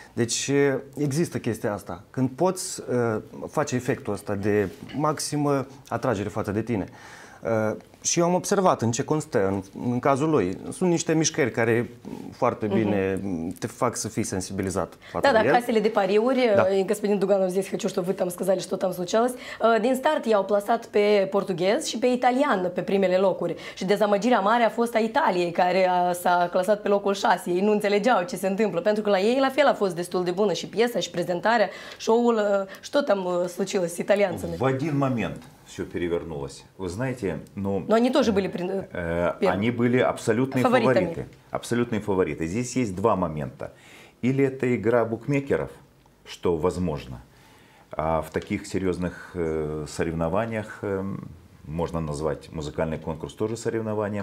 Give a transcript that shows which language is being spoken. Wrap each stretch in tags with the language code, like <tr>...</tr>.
<ro>Deci există chestia asta. Când poți face efectul ăsta de maximă atragere față de tine. Și eu am observat în ce constă în cazul lui. Sunt niște mișcări care foarte bine te fac să fii sensibilizat. Da, da, casele de pariuri,</ro> <ru>господин Дуганов здесь хочу, чтобы вы там сказали, что там случилось.</ru> <ro>Din start i-au plasat pe portughez și pe italian pe primele locuri. Și dezamăgirea mare a fost a Italiei, care s-a clasat pe locul 6. Ei nu înțelegeau ce se întâmplă, pentru că la ei la fel a fost destul de bună și piesa, și prezentarea, show-ul,</ro> <ru>що там случилось с итальянцами. В один момент все перевернулось. Вы знаете, ну... Но они тоже были... они были абсолютные фавориты. Абсолютные фавориты. Здесь есть два момента. Или это игра букмекеров, что возможно. А в таких серьезных соревнованиях, можно назвать музыкальный конкурс тоже соревнованием.</ru>